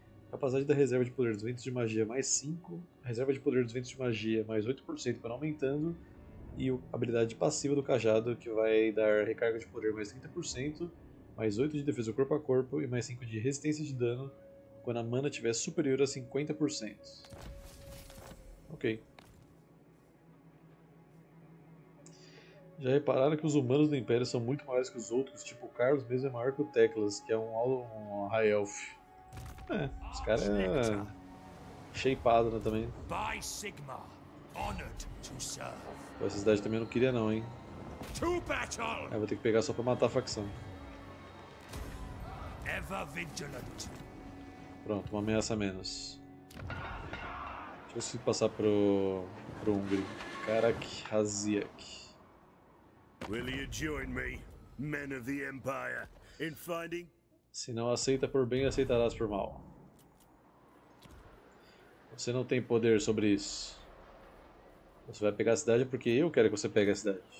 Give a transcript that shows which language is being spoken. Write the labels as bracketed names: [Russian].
[Portuguese] Capacidade da reserva de poder dos ventos de magia mais 5, reserva de poder dos ventos de magia mais 8% para aumentando, e a habilidade passiva do cajado, que vai dar recarga de poder mais 30%, mais 8 de defesa corpo a corpo e mais 5 de resistência de dano quando a mana estiver superior a 50%. Ok. Já repararam que os humanos do Império são muito maiores que os outros, tipo o Carlos mesmo é maior que o Teclas, que é um High Elf. É, esse cara é shapeado, né, também. [English] By Sigma, honored to serve. [Portuguese] Essa cidade também eu não queria não, hein. [English] To battle. [Portuguese] É, vou ter que pegar só pra matar a facção. [English] Ever vigilant. [Portuguese] Pronto, uma ameaça a menos. Deixa eu passar pro Hungry. Karak Haziak. [English] Will you join me, men of the Empire, in finding? [Portuguese] Se não aceita por bem, aceitarás por mal. Você não tem poder sobre isso. Você vai pegar a cidade porque eu quero que você pegue a cidade.